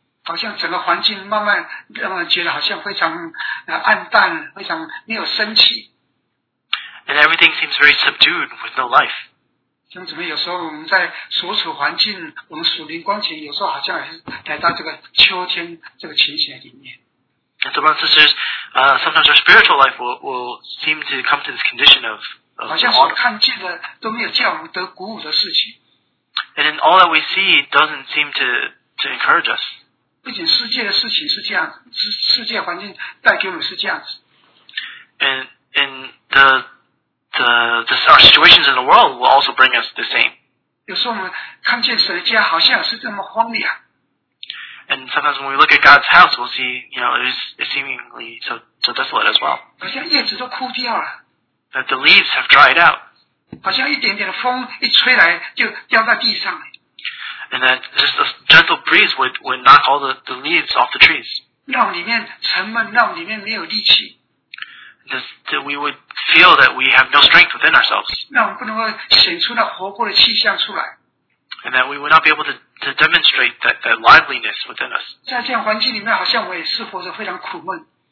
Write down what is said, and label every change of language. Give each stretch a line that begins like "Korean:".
Chinese: 好像整个环境慢慢让人觉得好像非常暗淡，非常没有生气。
English: And everything seems very subdued with no life.
Chinese: 像怎么有时候我们在所处环境，我们属灵光景，有时候好像来到这个秋天这个情形里面。
English: And so, brothers and sisters, sometimes our spiritual life will seem to come to this condition of.
Chinese: 好像所看见的都没有叫我们得鼓舞的事情。
English: And in all that we see doesn't seem to encourage us.
Chinese: 不仅世界的事情是这样，世界环境带给我们是这样子。
English: Our situations in the world will also bring us the same.
Chinese: 有时候我们看见神的家好像是这么荒凉。
English: And sometimes when we look at God's house, we'll see, you know, it's seemingly so desolate as well.
Chinese: 好像叶子都枯掉了。
English: That the leaves have dried out.
Chinese: 好像一点点的风一吹来就掉在地上了。
English: And that just a gentle breeze would knock all the leaves off the trees.
Chinese: 让里面沉闷，让里面没有力气。
English: That we would feel that we have no strength within ourselves.
Chinese: 那我们不能够显出那活泼的气象出来。
English: And that we would not be able to demonstrate that liveliness within us.
Chinese: 在这样环境里面，好像我也是活着非常苦闷。